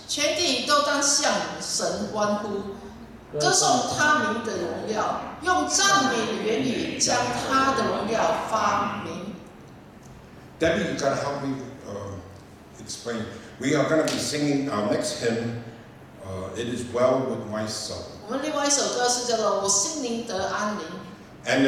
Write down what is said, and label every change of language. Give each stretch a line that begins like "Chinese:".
Chinese: 全地都当向神欢呼，歌颂他名的荣耀，用赞美的言语将他的荣耀发明。
English: Debbie, you gotta help me explain. We are gonna be singing our next hymn, It Is Well With My Soul.
Chinese: 我们另外一首歌是叫做《我心灵得安宁》。And